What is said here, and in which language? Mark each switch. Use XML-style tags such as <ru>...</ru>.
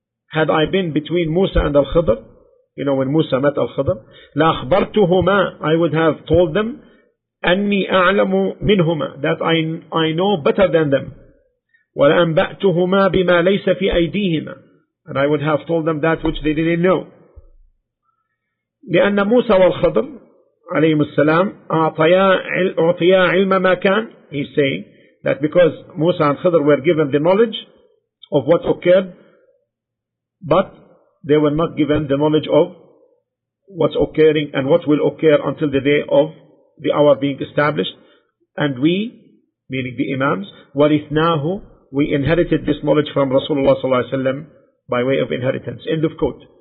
<en>Had I been between Musa and Al-Khidr, you know, when Musa met Al-Khidr,</en> <ar>لَأَخْبَرْتُهُمَا.</ar> <en>I would have told them,</en> <ar>أَنِّي أَعْلَمُ مِنْهُمَا.</ar> <en>That I know better than them.</en> <ar>وَلَأَنْبَأْتُهُمَا بِمَا لَيْسَ فِي أَيْدِيهِمَا.</ar> <en>And I would have told them that which they didn't know.</en> <ar>لأن موسى والخضر عليهم السلام أعطيا علم ما كان.</ar> <en>He's saying that because موسى and خضر were given the knowledge of what occurred, but they were not given the knowledge of what's occurring and what will occur until the day of the hour being established. And we, meaning the imams, ورثناه, we inherited this knowledge from Rasulullah صلى الله عليه وسلم by way of inheritance. End of quote.</en>